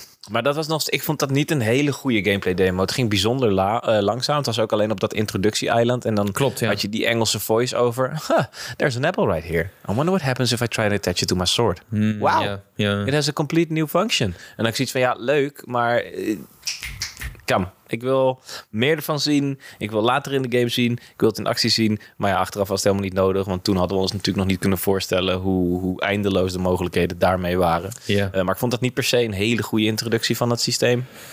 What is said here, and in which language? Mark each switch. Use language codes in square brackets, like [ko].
[nl] Maar dat was nog, ik vond dat niet een hele goede gameplay demo. Het ging bijzonder langzaam. Het was ook alleen op dat introductie-eiland. En dan had je die Engelse voice over. [en] Huh, there's an apple right here. I wonder what happens if I try to attach it to my sword. Wow. Yeah. It has a complete new function. [nl] En dan ik zoiets van, ja, leuk, maar kom. Ik wil meer ervan zien. Ik wil later in de game zien. Ik wil het in actie zien. Maar ja, achteraf was het helemaal niet nodig. Want toen hadden we ons natuurlijk nog niet kunnen voorstellen hoe eindeloos de mogelijkheden daarmee waren. [en] Yeah. [nl] Maar ik vond dat niet per se een hele goede introductie van het systeem.